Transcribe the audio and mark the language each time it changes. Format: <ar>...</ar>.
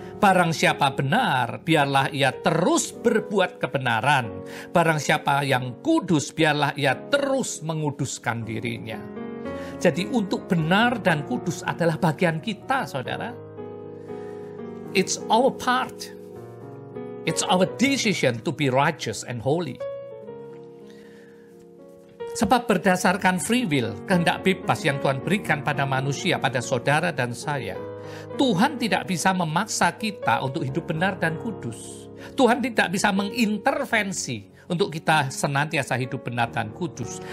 <id>Barang siapa benar, biarlah ia terus berbuat kebenaran. Barang siapa yang kudus, biarlah ia terus menguduskan dirinya. Jadi untuk benar dan kudus adalah bagian kita, saudara.</id> <en>It's our part. It's our decision to be righteous and holy.</en> <id>Sebab berdasarkan free will, kehendak bebas yang Tuhan berikan pada manusia, pada saudara dan saya, Tuhan tidak bisa memaksa kita untuk hidup benar dan kudus. Tuhan tidak bisa mengintervensi untuk kita senantiasa hidup benar dan kudus.</id>